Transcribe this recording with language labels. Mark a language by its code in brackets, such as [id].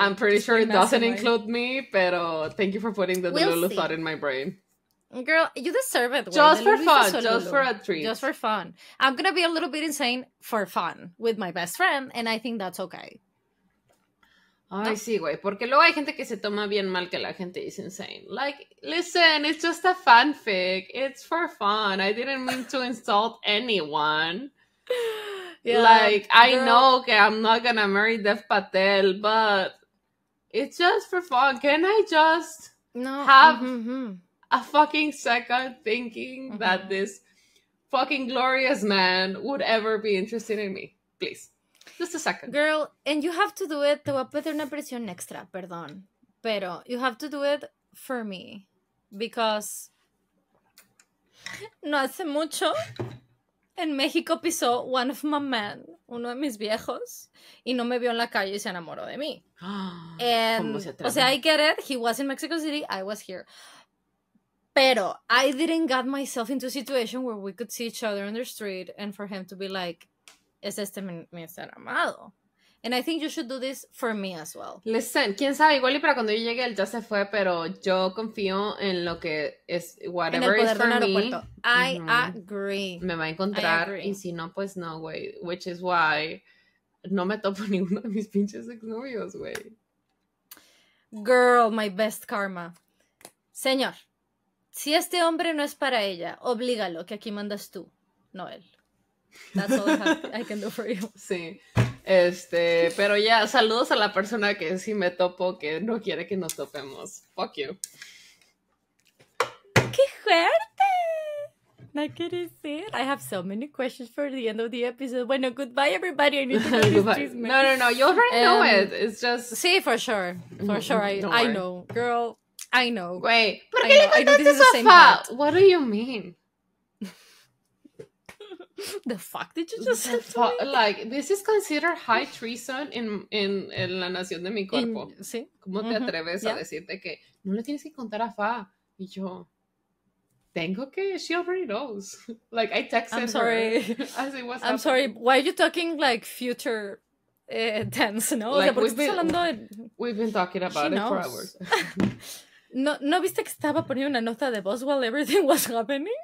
[en] I'm pretty sure it doesn't include me, [es] pero [en] thank you for putting the Lulu thought in my brain. Girl, you deserve it. Just for fun. I'm going to be a little bit insane for fun with my best friend, and I think that's okay. [es] Ay, sí, güey, porque luego hay gente que se toma bien mal que la gente [en] is insane. Like, listen, it's just a fanfic. It's for fun. I didn't mean to insult anyone. Yeah, like, I know [es] que [en] I'm not gonna marry Dev Patel, but it's just for fun. Can I just have a fucking second thinking that this fucking glorious man would ever be interested in me? Please. Just a second. Girl, and you have to do it. [es] Te voy a meter una presión extra, perdón. Pero [en] you have to do it for me. Because [es] no hace mucho en México pisó [en] one of my men, [es] uno de mis viejos, y no me vio en la calle y se enamoró de mí. [en] And, [es] ¿cómo se atreve? O sea, [en] I get it. He was in Mexico City. I was here. [es] Pero [en] I didn't get myself into a situation where we could see each other on the street and for him to be like, [es] es este mi ser amado. [en] And I think you should do this for me as well. [es] Listen, quién sabe, igual y para cuando yo llegue, él ya se fue, pero yo confío en lo que es, [en] whatever is for me. I agree. [es] Me va a encontrar, y si no, pues no, güey. [en] Which is why [es] no me topo ninguno de mis pinches exnovios, güey. [en] Girl, my best karma. [es] Señor, si este hombre no es para ella, oblígalo, que aquí mandas tú, no él. [en] That's all I can do for you. [es] Sí. Pero ya, saludos a la persona que sí me topo, que no quiere que nos topemos. [en] Fuck you. [es] ¡Qué fuerte! No quiere decir. [en] I have so many questions for the end of the episode. [es] Bueno, [en] goodbye, everybody. I need to know this chisme. No. You already know it. It's just... [es] Sí, [en] for sure. For sure. I know. Girl, I know. Wait. [es] ¿Por qué le contaste sofá? [en] What do you mean? The fuck did you just say to me? Like, this is considered high treason [es] en la nación de mi cuerpo. ¿Sí? ¿Cómo te atreves a decirte que no le tienes que contar a Fa? Y yo, tengo que, [en] she already knows. Like, I texted her. I'm sorry. I'm sorry, why are you talking like future tense, no? Like, we've been talking about it for hours. [es] ¿No viste que estaba poniendo una nota de voz [en] while everything was happening?